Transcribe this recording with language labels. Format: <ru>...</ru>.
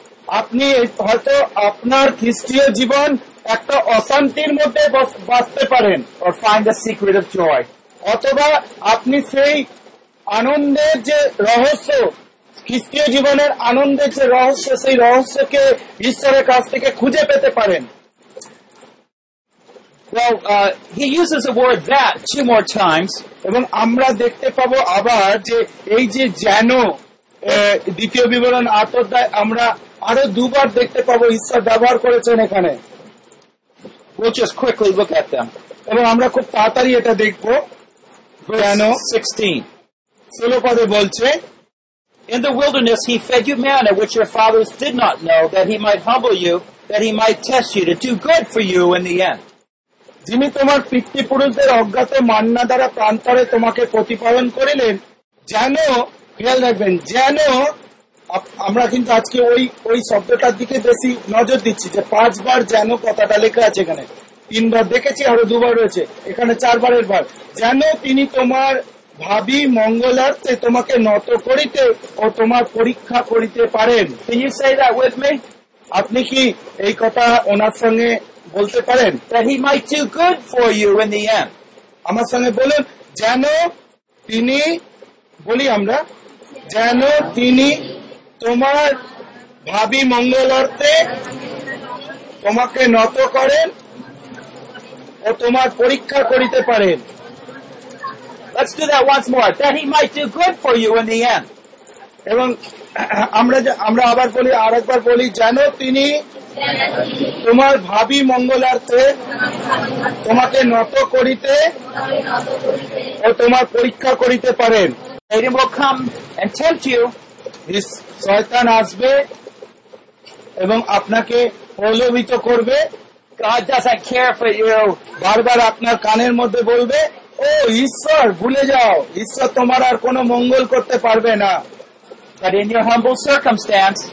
<bn>আপনি হয়তো আপনার খ্রিস্টীয় জীবন একটা অশান্তির মধ্যে বাঁচতে পারেন,</bn> <en>or find the secret of joy.</en> <bn>অথবা আপনি সেই আনন্দের যে রহস্য, খ্রিস্টীয় জীবনের আনন্দের যে রহস্য, সেই রহস্যকে ঈশ্বরের কাছ থেকে খুঁজে পেতে পারেন।</bn> <en>Well, he uses the word that two more times.</en> <bn>এবং আমরা দেখতে পাবো আবার যে এই যে যেন দ্বিতীয় বিবরণ আত্মায় আমরা আরো দুবার দেখতে পাবো ঈশ্বর ব্যবহার করেছেন এখানে।</bn> <en>Which is quickly look at them.</en> <bn>এবং আমরা খুব তাড়াতাড়ি এটা দেখবো। যেন 16 পদে বলছে,</bn> <en>In the wilderness he fed you manna which your fathers did not know, that he might humble you, that he might test you, to do good for you in the end.</en> <bn>যিনি তোমার পিতৃপুরুষদের অজ্ঞাত মান্না দ্বারা প্রান্তরে তোমাকে প্রতিপালন করিলেন, যেন খেয়াল রাখবেন যেন আমরা কিন্তু আজকে ওই ওই শব্দটার দিকে বেশি নজর দিচ্ছি যে পাঁচবার যেন কথাটা লেখা আছে এখানে, তিনবার দেখেছি আরো দুবার রয়েছে এখানে, চারবারের বার যেন তিনি তোমার ভাবি মঙ্গলার্থে তোমাকে নত করিতে ও তোমার পরীক্ষা করিতে পারেন।</bn> <en>Can you say that with me?</en> <bn>আপনি কি এই কথা ওনার সঙ্গে বলতে পারেন?</bn> <en>That he might do good for you in the end.</en> <bn>আমার সঙ্গে বলুন, যেন তিনি বলি আমরা যেন তিনি তোমার ভাবি মঙ্গলার্থে তোমাকে নত করেন ও তোমার পরীক্ষা করিতে পারেন।</bn> <en>Let's do that once more. That he might do good for you in the end.</en> <bn>এবং আমরা আবার বলি, আর একবার বলি, যেন তিনি তোমার ভাবি মঙ্গলার্থে তোমাকে নত করিতে ও তোমার পরীক্ষা করিতে পারেন।</bn> <en>Satan will come and tempt you. This</en> <bn>Satan আসবে এবং আপনাকে প্রলোভিত করবে।</bn> <en>God doesn't care for you.</en> <bn>বারবার আপনার কানের মধ্যে বলবে, ও ঈশ্বর ভুলে যাও, ঈশ্বর তোমার আর কোনো মঙ্গল করতে পারবে না।</bn> <en>But in your humble circumstance,</en>